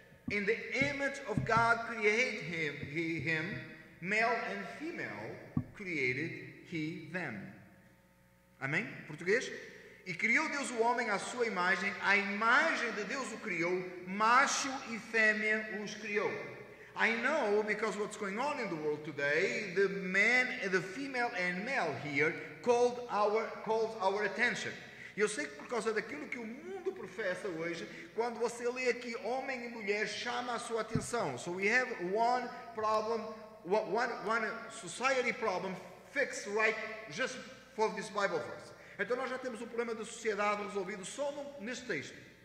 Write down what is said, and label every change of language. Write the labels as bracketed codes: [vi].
[en] In the image of God created him, male and female created he them. [pt] Amém? Português? E criou Deus o homem à sua imagem, à imagem de Deus o criou, macho e fêmea os criou. [en] I know, because what's going on in the world today, the man, the female and male here called our attention. [pt] Eu sei que por causa daquilo que o mundo professa hoje, quando você lê aqui homem e mulher, chama a sua atenção. [en] So we have one problem, one society problem fixed right just for this Bible verse. [pt] Então nós já temos um problema da sociedade resolvido só neste texto.